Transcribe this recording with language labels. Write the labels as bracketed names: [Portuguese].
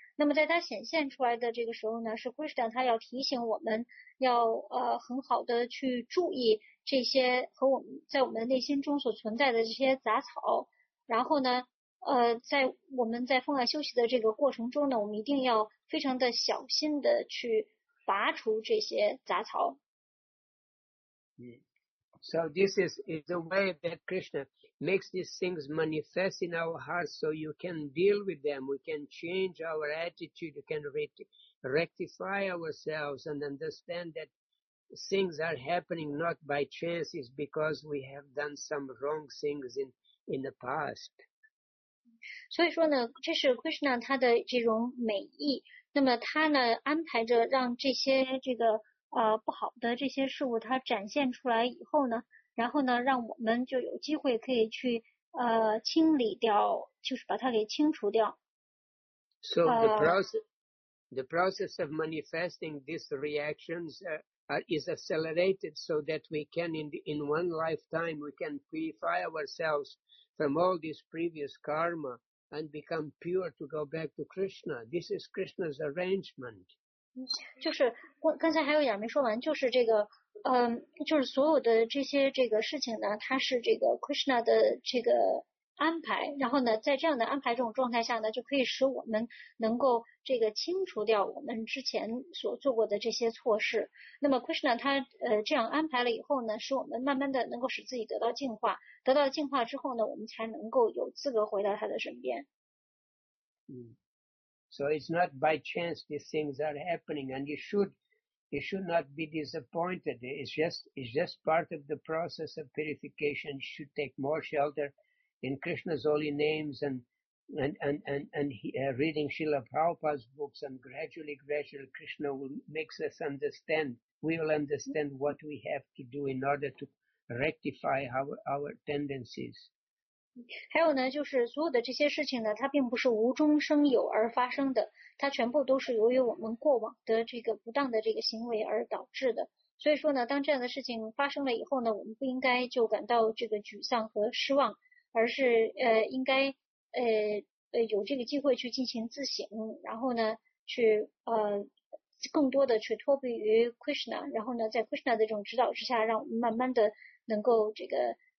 [Chinese] 那么在它显现出来的这个时候呢，是 Krishna 他要提醒我们要很好的去注意这些和我们在我们内心中所存在的这些杂草，然后呢在我们在奉爱休息的这个过程中呢，我们一定要非常的小心的去拔除这些杂草。 [English] So this is the way that Krishna makes these things manifest in our hearts so you can deal with them, we can change our attitude, we can rectify ourselves and understand that things are happening not by chance, it's because we have done some wrong things in the past. [Chinese] 所以说呢，这是 Krishna 他的这种美意，那么他呢安排着让这些这个不好的这些事物它展现出来以后呢，然后呢让我们就有机会可以去清理掉，就是把它给清除掉。 [English] So the process of manifesting these reactions is accelerated so that we can in one lifetime we can purify ourselves from all this previous karma and become pure to go back to Krishna. This is Krishna's arrangement. [Chinese] 就是刚才还有一点没说完，就是这个就是所有的这些这个事情呢，它是这个 Krishna 的这个安排，然后呢在这样的安排这种状态下呢，就可以使我们能够这个清除掉我们之前所做过的这些错事，那么 Krishna 他这样安排了以后呢，使我们慢慢的能够使自己得到净化，得到净化之后呢，我们才能够有资格回到他的身边。 [English] 嗯，So it's not by chance these things are happening, and you should not be disappointed. It's just part of the process of purification. You should take more shelter in Krishna's holy names and reading Srila Prabhupada's books, and gradually Krishna will make us understand. We will understand what we have to do in order to rectify our tendencies. [Chinese] 还有呢，就是所有的这些事情呢，它并不是无中生有而发生的，它全部都是由于我们过往的这个不当的这个行为而导致的。所以说呢，当这样的事情发生了以后呢，我们不应该就感到这个沮丧和失望，而是应该有这个机会去进行自省，然后呢去更多的去脱离于 Krishna， 然后呢在 Krishna 的这种指导之下，让我们慢慢的能够这个。